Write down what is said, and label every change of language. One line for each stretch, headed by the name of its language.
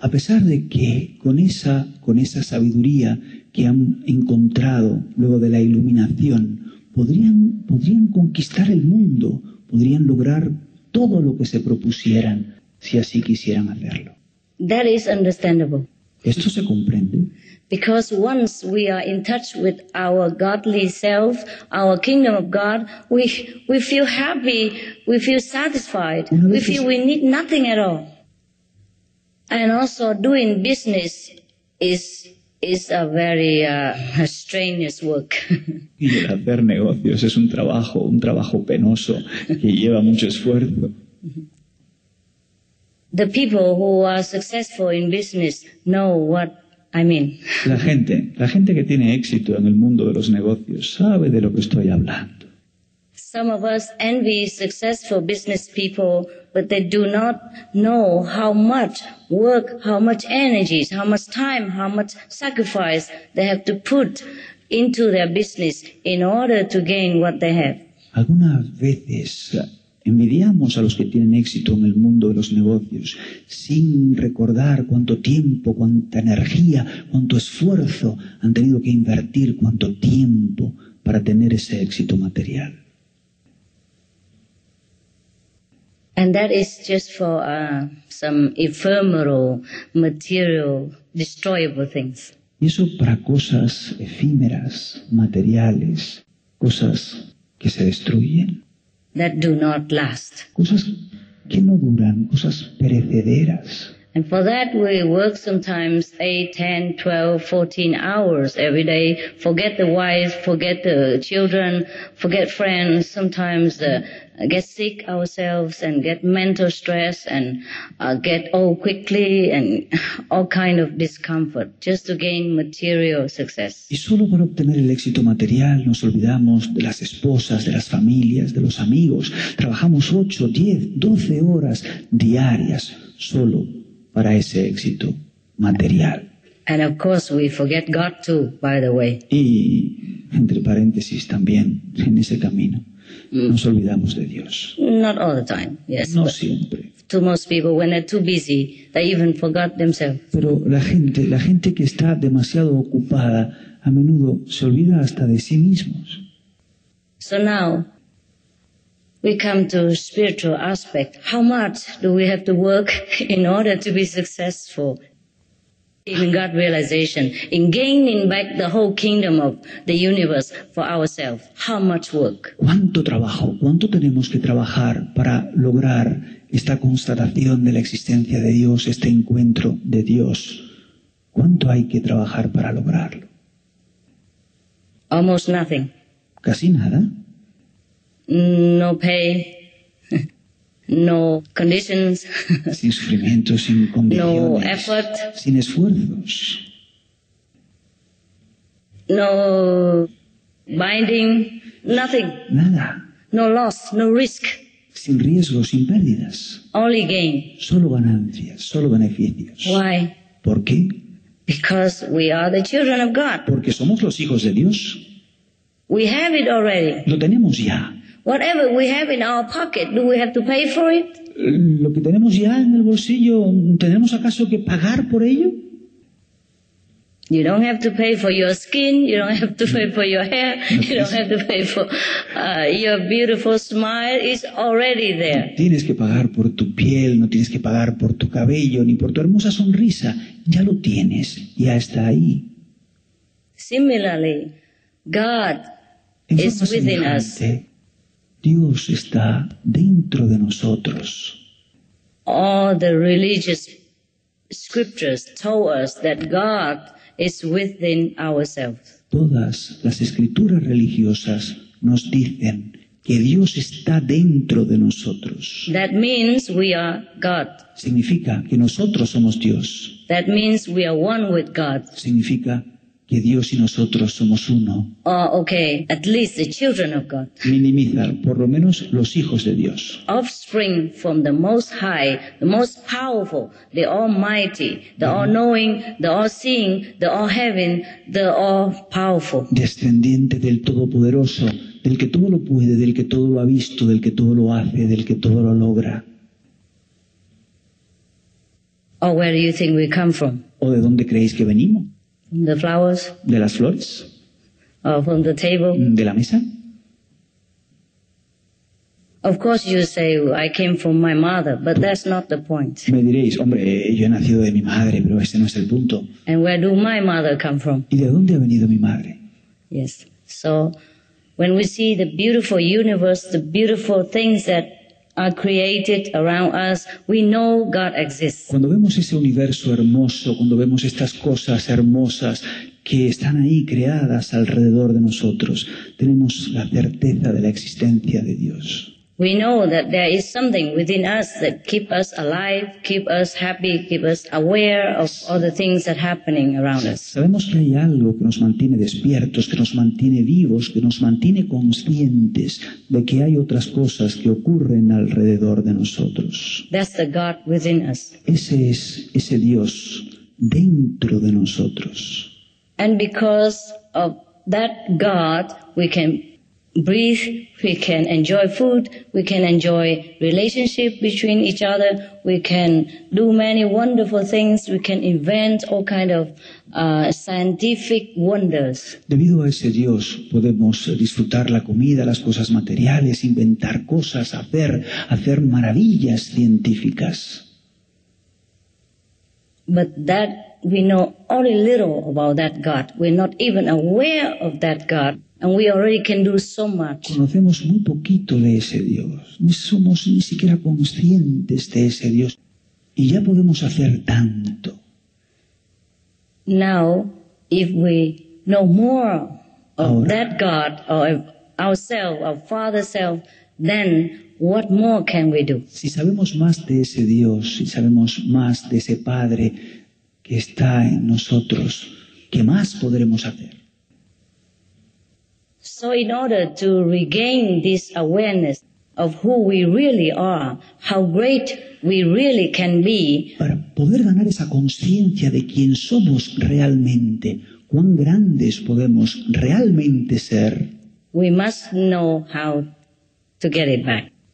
Spanish: A pesar de que con esa sabiduría que han encontrado luego de la iluminación, podrían conquistar el mundo, podrían lograr todo lo que se propusieran si así quisieran hacerlo.
English: That is understandable.
Spanish: Esto se comprende.
English: Because once we are in touch with our godly self, our kingdom of God, we feel happy, we feel satisfied, we feel we need nothing at all. And also doing business is a very strenuous work.
Spanish: Y el hacer negocios es un trabajo penoso que lleva mucho esfuerzo.
English: The people who are successful in business know what I mean.
Spanish: La gente que tiene éxito en el mundo de los negocios sabe de lo que estoy hablando.
English: Some of us envy successful business people, but they do not know how much work, how much energy, how much time, how much sacrifice they have to put into their business in order to gain what they have.
Spanish: Algunas veces envidiamos a los que tienen éxito en el mundo de los negocios sin recordar cuánto tiempo, cuánta energía, cuánto esfuerzo han tenido que invertir, cuánto tiempo para tener ese éxito material.
English: And that is just for some ephemeral, material, destroyable things.
Spanish: Y eso para cosas efímeras, materiales, cosas que se destruyen.
English: That do not last.
Spanish: Cosas que no duran, cosas perecederas.
English: And for that we work sometimes 8, 10, 12, 14 hours every day. Forget the wife, forget the children, forget friends. Sometimes get sick ourselves and get mental stress and get old quickly and all kind of discomfort just to gain material success.
Spanish: Y solo para obtener el éxito material nos olvidamos de las esposas, de las familias, de los amigos. Trabajamos 8, 10, 12 horas diarias solo para ese éxito material.
English: And of course we forget God too, by the way.
Spanish: Y entre paréntesis también en ese camino nos olvidamos de Dios.
English: Not all the time, yes.
Spanish: No siempre.
English: To most people, when they're too busy, they even forgot themselves.
Spanish: Pero la gente que está demasiado ocupada, a menudo se olvida hasta de sí mismos.
English: So now we come to spiritual aspect. How much do we have to work in order to be successful in God realization, in gaining back the whole kingdom of the universe for ourselves? How much work?
Spanish: ¿Cuánto trabajo? ¿Cuánto tenemos que trabajar para lograr esta constatación de la existencia de Dios, este encuentro de Dios? ¿Cuánto hay que trabajar para lograrlo?
English: Almost nothing.
Spanish: Casi nada.
English: No pay, no conditions,
Spanish: sin sufrimiento, sin condiciones,
English: no effort,
Spanish: sin esfuerzos,
English: no binding, nothing,
Spanish: nada,
English: No loss, no risk.
Spanish: Sin riesgo, sin pérdidas.
English: Only gain.
Spanish: Solo ganancias, solo beneficios.
English: Why?
Spanish: ¿Por qué?
English: Because we are the children of God.
Spanish: Porque somos los hijos de Dios.
English: We have it already.
Spanish: Lo tenemos ya.
English: Whatever we have in our pocket, do we have to pay for it?
Spanish: Lo que tenemos ya en el bolsillo, ¿tenemos acaso que pagar por ello?
English: You don't have to pay for your skin, you don't have to pay for your hair, you don't have to pay for your beautiful smile, it's already there.
Spanish: No tienes que pagar por tu piel, no tienes que pagar por tu cabello, ni por tu hermosa sonrisa, ya lo tienes, ya está ahí.
English: Similarly, God is within us.
Spanish: Dios está dentro de nosotros.
English: All the religious scriptures told us that God is within ourselves.
Spanish: Todas las escrituras religiosas nos dicen que Dios está dentro de nosotros.
English: That means we are God.
Spanish: Significa que nosotros somos Dios.
English: That means we are one with God.
Spanish: Significa que Dios y nosotros somos uno.
English: Okay, at least the children of God.
Spanish: Minimizar, por lo menos, los hijos de Dios.
English: Offspring from the Most High, the Most Powerful, the Almighty, the All-Knowing, the All-Seeing, the All-Having, the All-Powerful.
Spanish: Descendiente del Todopoderoso, del que todo lo puede, del que todo lo ha visto, del que todo lo hace, del que todo lo logra.
English: Or where do you think we come from?
Spanish: ¿O de dónde creéis que venimos?
English: The flowers?
Spanish: De las flores.
English: Or from the table?
Spanish: De la mesa.
English: Of course you say I came from my mother, but that's not the point.
Spanish: Me diréis, hombre, yo he nacido de mi madre, pero ese no es el punto.
English: And where do my mother come from?
Spanish: ¿Y de dónde ha venido mi madre?
English: Yes. So when we see the beautiful universe, the beautiful things that are created around us, we know God exists.
Spanish: Cuando vemos ese universo hermoso, cuando vemos estas cosas hermosas que están ahí creadas alrededor de nosotros, tenemos la certeza de la existencia de Dios.
English: We know that there is something within us that keeps us alive, keeps us happy, keeps us aware of all the things that are happening around us.
Spanish: Sabemos que hay algo que nos mantiene despiertos, que nos mantiene vivos, que nos mantiene conscientes de que hay otras cosas que ocurren alrededor de nosotros.
English: That's the God within us.
Spanish: Ese es ese Dios dentro de nosotros.
English: And because of that God, we can breathe, we can enjoy food, we can enjoy relationship between each other, we can do many wonderful things, we can invent all kind of scientific wonders.
Spanish: Debido a ese Dios, podemos disfrutar la comida, las cosas materiales, inventar cosas, hacer maravillas científicas.
English: But that we know only little about that God. We're not even aware of that God. And we already can do so much.
Spanish: Conocemos muy poquito de ese Dios. Ni somos ni siquiera conscientes de ese Dios. Y ya podemos hacer tanto.
English: Now, if we know more of
Spanish: ahora,
English: that God, or ourselves, our Father self, then what more can we do?
Spanish: Si sabemos más de ese Dios, si sabemos más de ese Padre que está en nosotros, ¿qué más podremos hacer?
English: So in order to regain this awareness of who we really are, how great we really can be,
Spanish: para poder ganar esa conciencia de quién somos realmente, cuán grandes podemos realmente ser,
English: we must know how to get it back.